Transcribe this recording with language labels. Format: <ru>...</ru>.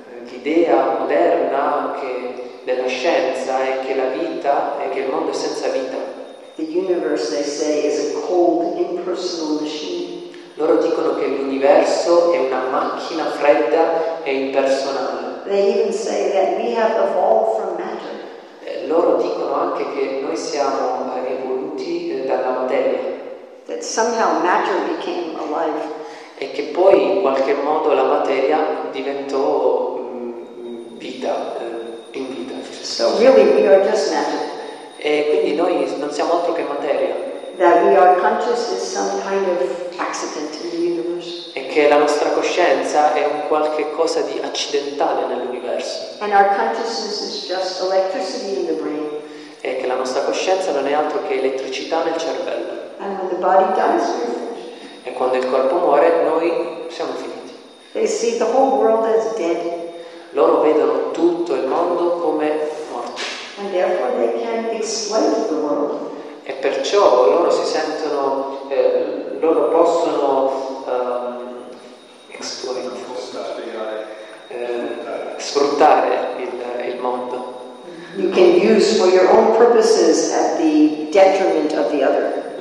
<it>L'idea moderna che della scienza è che la vita è che il mondo è senza vita.</it> <en>The universe, they say, is a cold, impersonal machine.</en> <it>Loro dicono che l'universo è una macchina fredda e impersonale.</it> <en>They even say that we have evolved from matter.</en> <it>Loro dicono anche che noi siamo evoluti dalla materia.</it> <en>That somehow matter became alive.</en> <it>E che poi in qualche modo la materia diventò vita, in vita.</it> <en>So really we are just matter.</en> <it>E quindi noi non siamo altro che materia.</it> <en>That we are conscious is some kind of accident in the universe.</en> <it>E che la nostra coscienza è un qualche cosa di accidentale nell'universo.</it> <en>And our consciousness is just electricity in the brain.</en> <it>E che la nostra coscienza non è altro che elettricità nel cervello.</it> <en>And when the body dies, we're finished.</en> <it>E quando il corpo muore, noi siamo finiti.</it> <en>They see the whole world as dead.</en> <it>Loro vedono tutto il mondo come morto.</it> <en>And therefore they can't exploit the world.</en> <it>E perciò loro si sentono, loro possono sfruttare il mondo.</it> <en>You can use for your own purposes at the detriment of the other.</en>